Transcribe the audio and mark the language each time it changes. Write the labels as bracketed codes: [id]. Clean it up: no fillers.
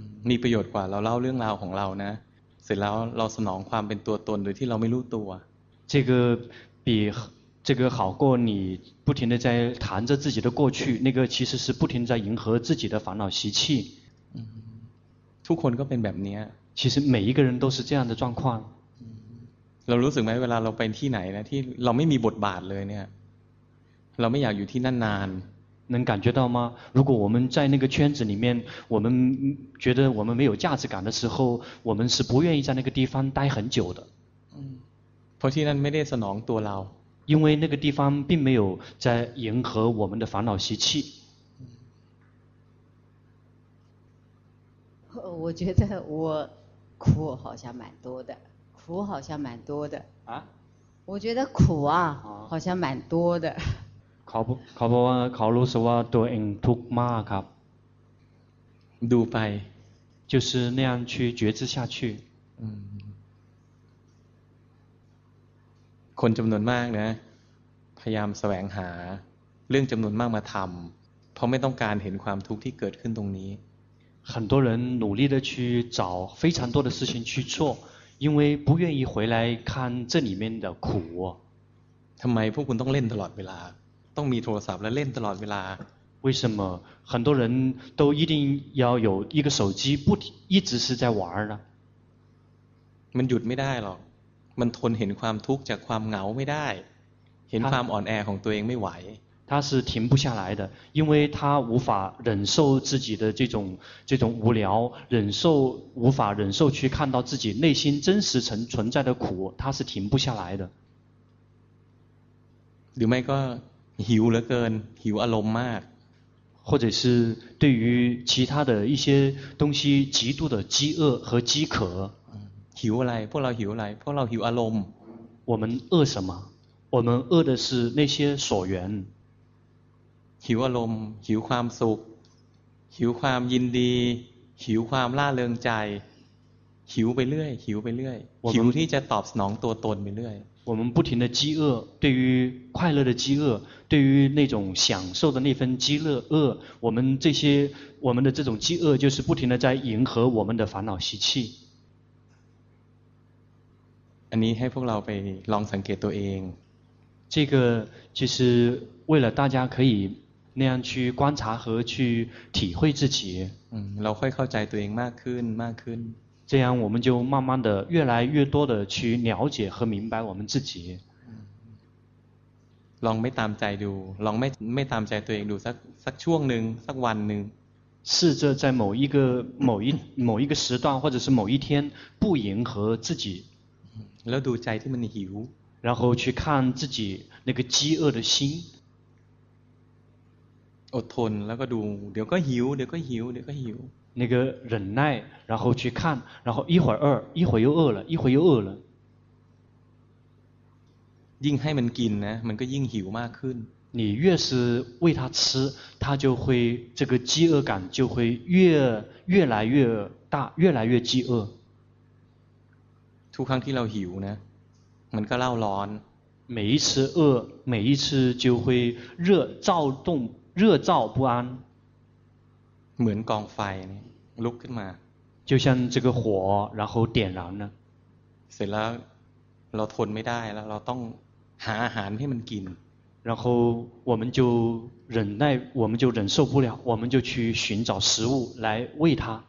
[th] มีประโยชน์กว่าเราเล่าเรื่องราวของเรานะเสร็จแล้วเราสนองความเป็นตัวตนโดยที่เราไม่รู้ตัว [zh] 这个比这个好过你不停的在谈着自己的过去那个其实是不停在迎合自己的烦恼习气 [th] ทุกคนก็เป็นแบบนี้ [zh] 其实每一个人都是这样的状况 [th] เรารู้สึกไหมเวลาเราไปที่ไหนนะที่เราไม่มีบทบาทเลยเนี่ยเราไม่อยากอยู่ที่นั่นนาน [zh] 能感觉到吗如果我们在那个圈子里面我们觉得我们没有价值感的时候我们是不愿意在那个地方待很久的 [th] เพราะที่นั่นไม่ได้สนองตัวเรา [zh] 因为那个地方并没有在迎合我们的烦恼习气我觉得我苦好像蛮多的苦好像蛮多的啊我觉得苦啊好像蛮多的 [th] เขาบอกว่าเขารู้สึกว่าตัวเองทุกข์มากครับ ดูไป [zh] 就是那样去觉知下去 [th] คนจำนวนมากนะพยายามแสวงหาเรื่องจำนวนมากมาทำเพราะไม่ต้องการเห็นความทุกข์ที่เกิดขึ้นตรงนี้ [zh] 很多人努力的去找非常多的事情去做，因为不愿意回来看这里面的苦。 [th] ทำไมพวกคุณต้องเล่นตลอดเวลาต้องมีโทรศัพท์และเล่นตลอดเวลา [zh] 为什么很多人都一定要有一个手机不一直是在玩呢 [th] มันหยุดไม่ได้หรอกมันทนเห็นความทุกข์จากความเหงาไม่ได้เห็นความอ่อนแอของตัวเองไม่ไหว [zh] 他是停不下来的，因为他无法忍受自己的这种无聊，无法忍受去看到自己内心真实存在的苦，他是停不下来的。 [th] หรือไม่ก็หิวเหลือเกินหิวอารมณ์มาก [zh] 或者是对于其他的一些东西极度的饥饿和饥渴。 [th] หิวอะไรพวกเราหิวอะไรพวกเราหิวอารมณ์ [zh] 我们饿什么？我们饿的是那些所缘。 [th] หิวอารมณ์หิวความสุขหิวความยินดีหิวความล่าเริงใจหิวไปเรื่อยหิวไปเรื่อยหิวที่จะตอบสนองตัวตนไปเรื่อย [zh] 我们不停的饥饿，对于快乐的饥饿，对于那种享受的那份饥乐饿，我们的这种饥饿就是不停的在迎合我们的烦恼习气。 [th] อันนี้ให้พวกเราไปลองสังเกตตัวเอง [zh] 这个其实为了大家可以那样去观察和去体会自己， [th] เราค่อยเข้าใจตัวเองมากขึ้นมากขึ้น [zh] 这样我们就慢慢的越来越多的去了解和明白我们自己。 [th] ลองไม่ตามใจดูลองไม่ตามใจตัวเองดูสักช่วงหนึ่งสักวันหนึ่ง [zh] 试着在某一个时段或者是某一天不迎合自己， [th] แล้วดูใจที่มันหิว [zh] 然后去看自己那个饥饿的心。 [th] อดทนแล้วก็ดูเดี๋ยวก็หิวเดี๋ยวก็หิวเดี๋ยวก็หิว [zh] 那个忍耐然后去看然后一会儿饿一会儿又饿了一会儿又饿了 [th] ยิ่งให้มันกินนะมันก็ยิ่งหิวมากขึ้น [zh] 你越是喂它吃它就会这个饥饿感就会越来越大越来越饥饿 [th] ทุกครั้งที่เราหิวนะมันก็เล่าร้อน [zh] 每一次饿每一次就会热躁动热躁不安 [th] เหมือนกองไฟนี่ลุกขึ้นมา [zh] 就像这个火然后点燃了 [th] เสร็จแล้วเราทนไม่ได้แล้วเราต้องหาอาหารให้มันกิน [zh] 然后我们就忍耐我们就忍受不了我们就去寻找食物来喂它